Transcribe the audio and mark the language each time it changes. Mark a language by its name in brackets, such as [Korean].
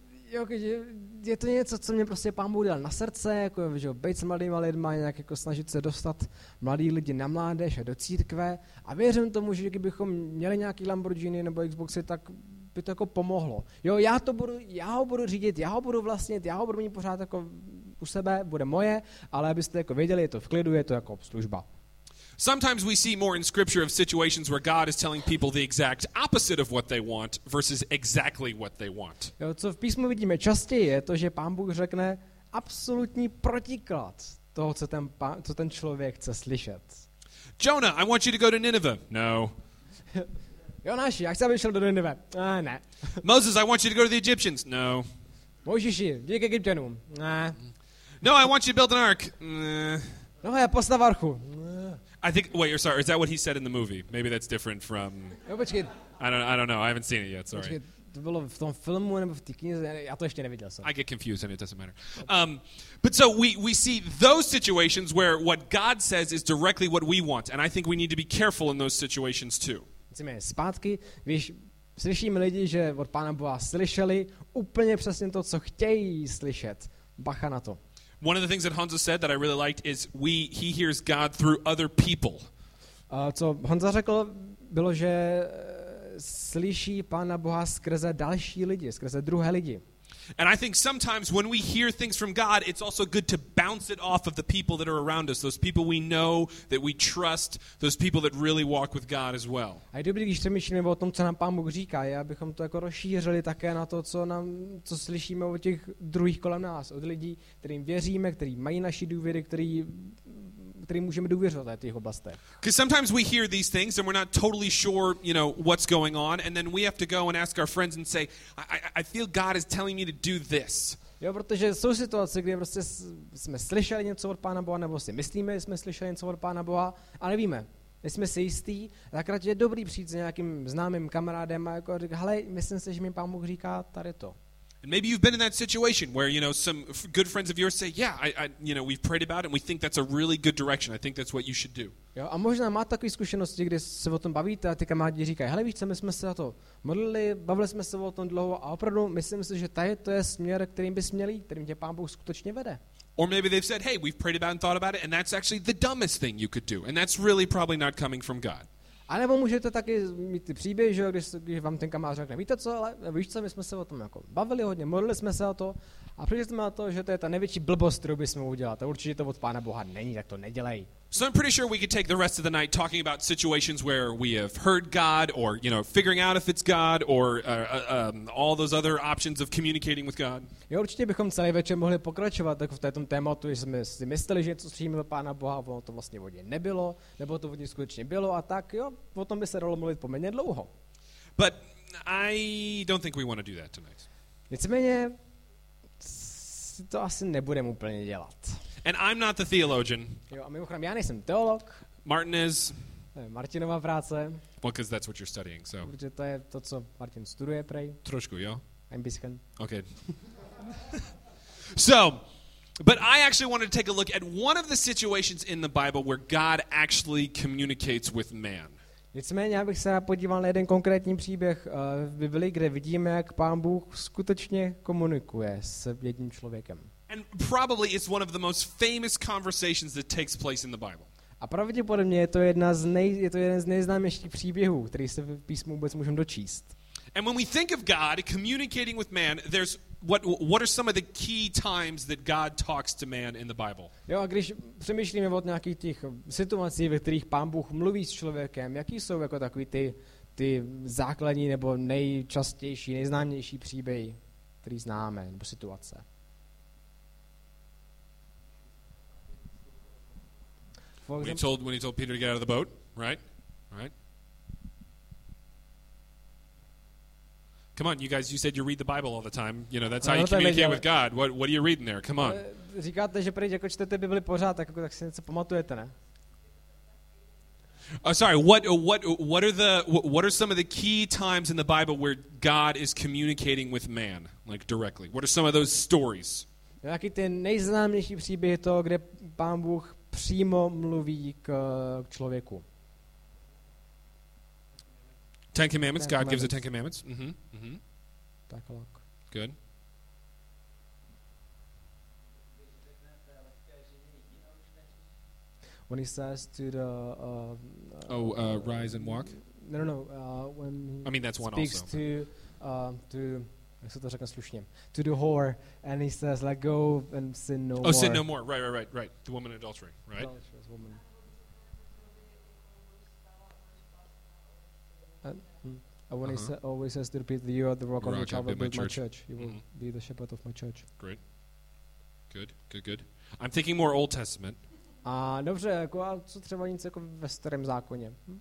[Czech] Jo, je to něco, co mě prostě Pán Bůh dal na srdce, jako že být s mladýma lidma, nějak jako snažit se dostat mladý lidi na mládež a do církve. A věřím tomu, že kdybychom měli nějaký Lamborghini nebo Xboxy, tak by to jako pomohlo. Jo, já ho budu řídit, já ho budu vlastnit, já ho budu mít pořád jako u sebe, bude moje, ale abyste jako věděli, je to v klidu, je to jako služba. [English] Sometimes we see more in scripture of situations where God is telling people the exact opposite of what they want versus exactly what they want. [Czech] Jo, co v písmu vidíme častěji, je to, že Pán Bůh řekne absolutní protiklad toho, co ten člověk chce slyšet. [English] Jonah, I want you to go to Nineveh. No. [Czech] Jonáši, já chci, aby šel do Nineve. Ne. [English] Moses, I want you to go to the Egyptians. No. [Czech] Mojžíši, jdi k Egyptianům. Ne. [English] No, I want you to build an ark. [Czech] No, já postav archu. [English] I think, wait, you're sorry, is that what he said in the movie? Maybe that's different from... [Czech] No, počkej. [English] I don't know, I haven't seen it yet, sorry. [Czech] Počkej, to bylo v tom filmu nebo v té knize, já to ještě neviděl. [English] I get confused and it doesn't matter. But so we see those situations where what God says is directly what we want, and I think we need to be careful in those situations too. [Czech] Chceme zpátky, když slyšíme lidi, že od Pána Boha slyšeli úplně přesně to, co chtějí slyšet. Bacha na to. [English] One of the things that Honza said that I really liked is he hears God through other people. [Czech] Co Honza řekl, bylo, že slyší Pána Boha skrze další lidi, skrze druhé lidi. [English] And I think sometimes when we hear things from God, it's also good to bounce it off of the people that are around us, those people we know, that we trust, those people that really walk with God as well. [Czech] A je dobrý, když přemýšlíme o tom, co nám Pán Bůh říká, je, abychom to jako rozšířili také na to, co slyšíme o těch druhých kolem nás, od lidí, kterým věříme, kteří mají naši důvěry, kterým můžeme důvěřovat v těch oblastech. [English] Because sometimes we hear these things and we're not totally sure, you know, what's going on, and then we have to go and ask our friends and say, I feel God is telling me to do this. [Czech] Jo, protože jsou situace, kdy prostě jsme slyšeli něco od Pána Boha, nebo si myslíme, že jsme slyšeli něco od Pána Boha, a nevíme. Nejsme si jistý, tak radši je dobrý přijít s nějakým známým kamarádem a jako říct, hele, myslím si, že mi Pán Bůh říká tady to. [English] Maybe you've been in that situation where, you know, some good friends of yours say, yeah, I you know, we've prayed about it and we think that's a really good direction. I think that's what you should do. [Czech] Jo, a možná máte takové zkušenosti, kdy se o tom bavíte a ty kamarádi říkají, hele, víš co, my jsme se za to modlili, bavili jsme se o tom dlouho a opravdu myslím si, že tady to je směr, kterým bys měl jít, kterým tě Pán Bůh skutečně vede. [English] Or maybe they've said, hey, we've prayed about it and thought about it and that's actually the dumbest thing you could do. And that's really probably not coming from God. [Czech] A nebo můžete taky mít ty příběh, že když vám ten kamarád řekne, víte co, ale víš co, my jsme se o tom jako bavili hodně, modlili jsme se o to, A přijde na to, že to je ta největší blbost, kterou bychom udělali. To určitě to od Pána Boha není, tak to nedělej. [English] So I'm pretty sure we could take the rest of the night talking about situations where we have heard God, or you know, figuring out if it's God, or all those other options of communicating with God. [Czech] Jo, určitě bychom celý večer mohli pokračovat tak v tom tématu, že jsme si mysleli, že něco slyšíme od Pána Boha, ono to vlastně vodě nebylo, nebo to vodě skutečně bylo, a tak jo, o tom by se dalo mluvit poměrně dlouho. [English] But I don't think we want to do that tonight. [Czech] Nicméně si to asi nebudeme úplně dělat. [English] And I'm not the theologian. [Czech] Jo, a mimochodem, já nejsem teolog. [English] Martin is. [Czech] Martinova práce. [English] Well, because that's what you're studying, so. [Czech] Protože to je to, co Martin studuje, prej. Trošku, jo. [English] I'm biskan. Okay. So, but I actually wanted to take a look at one of the situations in the Bible where God actually communicates with man. [Czech] Nicméně, já bych se podíval na jeden konkrétní příběh v Biblii, kde vidíme, jak Pán Bůh skutečně komunikuje s jedním člověkem. [English] And probably it's one of the most famous conversations that takes place in the Bible. [Czech] A pravděpodobně je to jedna z jeden z nejznámějších příběhů, který se v písmu vůbec můžeme dočíst. [English] And when we think of God communicating with man, there's what are some of the key times that God talks to man in the Bible? [Czech] Jo, a když přemýšlíme o nějakých těch situacích, ve kterých Pán Bůh mluví s člověkem, jaký jsou jako takový ty základní nebo nejčastější, nejznámější příběhy, který známe, nebo situace? [English] When he told Peter to get out of the boat, right? Right? Come on, you guys, you said you read the Bible all the time. You know, that's how you communicate with God. What are you reading there? Come on. [Czech] Říkáte, že prý, jako čtete Bibli pořád, tak si něco pamatujete, ne? [English] Oh, sorry. What are some of the key times in the Bible where God is communicating with man, like directly? What are some of those stories? [Czech] Jaký ten nejznámější příběh je to, kde Pán Bůh přímo mluví k člověku. [English] Ten commandments, God commandments. Gives the Ten Commandments. Mhm. Mhm. Tak lok. Good. When he says to the rise and walk? No, when he I mean that's one speaks also. [Czech] To jak se to řekne slušně, [English] to the whore, and he says, let go and sin no more. Oh, sin no more, right, the woman in adultery, right? Adulterous woman. And when he always says to repeat, you are the rock on which I will build my church. You will be the shepherd of my church. Great. Good. I'm thinking more Old Testament. [Czech] A dobře, jako, a co třeba nic jako ve starém zákoně?